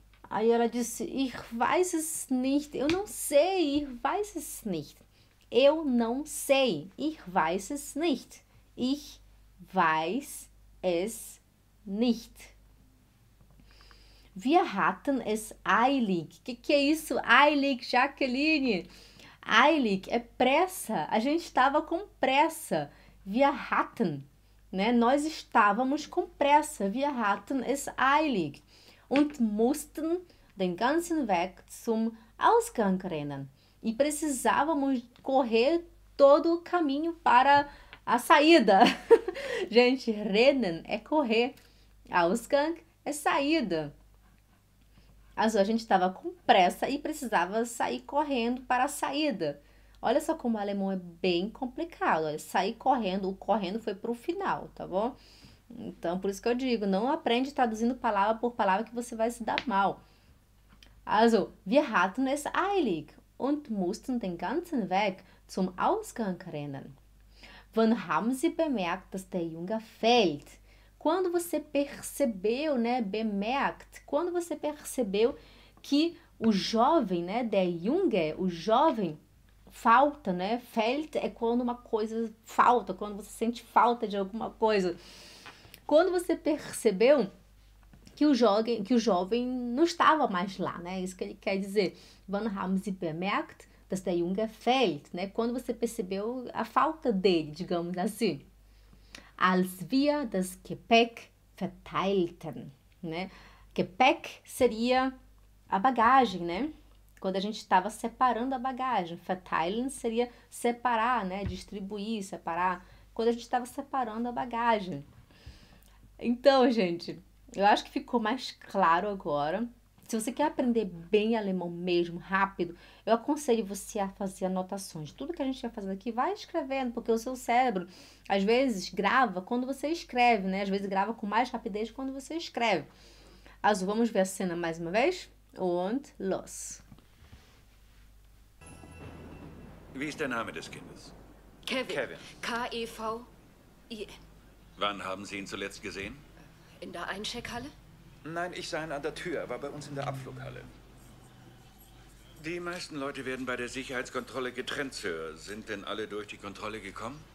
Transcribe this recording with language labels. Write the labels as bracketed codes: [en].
[pt] Aí ela disse, [de] ich weiß es nicht. [pt] Eu não sei, [de] ich weiß es nicht. Eu não sei, ich weiß es nicht. Ich weiß es nicht. Wir hatten es eilig. [pt] Que é isso, [de] eilig, Jacqueline? [pt] Eilig é pressa. A gente estava com pressa. [de] Wir hatten, [pt] né? Nós estávamos com pressa. [de] Wir hatten es eilig. Und mussten den ganzen Weg zum Ausgang rennen. [pt] E precisávamos correr todo o caminho para a saída. Gente, rennen é correr. Ausgang é saída. Mas a gente estava com pressa e precisava sair correndo para a saída. Olha só como o alemão é bem complicado. Olha, sair correndo, o correndo foi para o final, tá bom? Então, por isso que eu digo, não aprende traduzindo palavra por palavra que você vai se dar mal. [de] Also, wir hatten es eilig und mussten den ganzen Weg zum Ausgang rennen. Wann haben Sie bemerkt, dass der Junge fällt? [pt] Quando você percebeu, né, bemerkt, quando você percebeu que o jovem, né, der Junge, o jovem, falta, né, fällt é quando uma coisa falta, quando você sente falta de alguma coisa. Quando você percebeu que o jovem não estava mais lá, né? Isso que ele quer dizer. [de] Wann haben Sie bemerkt, dass der Junge fehlt, né? [pt] Quando você percebeu a falta dele, digamos assim. [de] Als wir das Gepäck verteilten, né? [pt] Gepäck seria a bagagem, né? Quando a gente estava separando a bagagem. Verteilen seria separar, né? Distribuir, separar. Quando a gente estava separando a bagagem. Então, gente, eu acho que ficou mais claro agora. Se você quer aprender bem alemão mesmo, rápido, eu aconselho você a fazer anotações. Tudo que a gente está fazendo aqui, vai escrevendo, porque o seu cérebro, às vezes, grava quando você escreve, né? Às vezes, grava com mais rapidez quando você escreve. Azul, vamos ver a cena mais uma vez? [de] Und los. Wie ist der Name des Kindes? Kevin. Kevin. Kevi. Wann haben Sie ihn zuletzt gesehen? In der Eincheckhalle? Nein, ich sah ihn an der Tür. Er war bei uns in der Abflughalle. Die meisten Leute werden bei der Sicherheitskontrolle getrennt, Sir. Sind denn alle durch die Kontrolle gekommen?